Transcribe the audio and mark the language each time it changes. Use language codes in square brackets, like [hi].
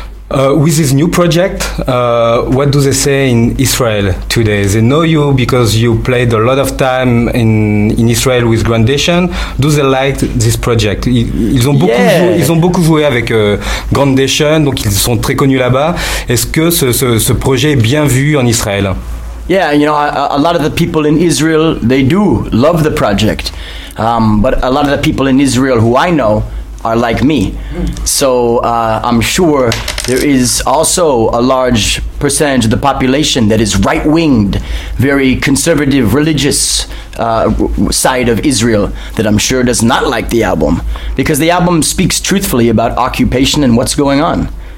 [en] With this new project, what do they say in Israel today? They know you because you played a lot of time in Israel with Grandation. Do they like this project? [fr] Ils ont beaucoup joué avec Grandation, donc ils sont très connus là-bas. Est-ce que ce projet est bien vu en Israël? [en] Yeah, you know, a lot of the people in Israel, they do love the project. But a lot of the people in Israel who I know are like me. So I'm sure there is also a large percentage of the population that is right-winged, very conservative, religious side of Israel that I'm sure does not like the album, because the album speaks truthfully about occupation and what's going on.